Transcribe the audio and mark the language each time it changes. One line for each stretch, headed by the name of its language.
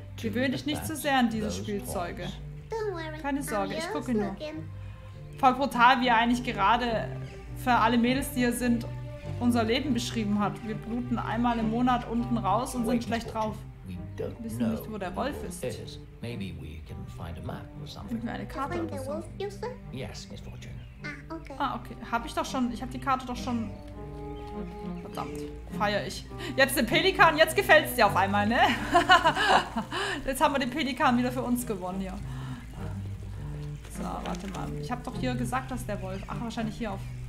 German: Gewöhn dich nicht zu sehr an diese Spielzeuge. Keine Sorge, ich gucke nur. Voll brutal, wie er eigentlich gerade für alle Mädels, die hier sind, unser Leben beschrieben hat. Wir bluten einmal im Monat unten raus und sind schlecht drauf. Wir wissen nicht, wo der Wolf ist.
English: Maybe we can find a map or something. Find the wolf, you said? Yes, Miss Fortune.
German: Ah, okay. Hab ich doch schon. Ich hab die Karte doch schon. Verdammt. Feier ich. Jetzt den Pelikan. Jetzt gefällt's dir auf einmal, ne? Jetzt haben wir den Pelikan wieder für uns gewonnen hier. So, warte mal. Ich hab doch hier gesagt, dass der Wolf. Ach, wahrscheinlich hier auf.